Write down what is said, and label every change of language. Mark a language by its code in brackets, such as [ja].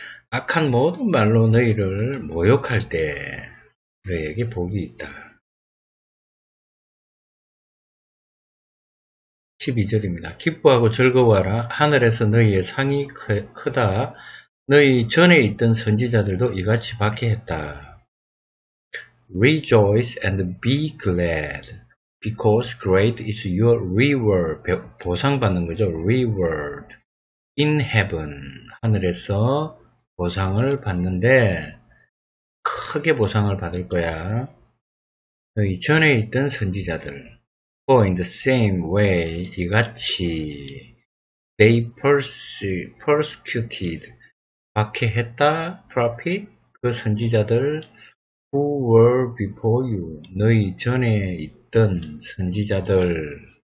[ko] 악한 모든 말로 너희를 모욕할 때 너희에게 복이 있다. 12절입니다. 기뻐하고 즐거워하라. 하늘에서 너희의 상이 크다. 너희 전에 있던 선지자들도 이같이 받게 했다. [en] Rejoice and be glad because great is your reward. [ko] 보상받는 거죠. [en] Reward in heaven. [ko] 하늘에서 보상을 받는데 크게 보상을 받을 거야. 너희 전에 있던 선지자들. [en] For in the same way, [ko] 이같이 [en] they persecuted, [ko] 박해했다, [en] prophet, [ko] 그 선지자들 [en] who were before you, [ko] 너희 전에 있던 선지자들.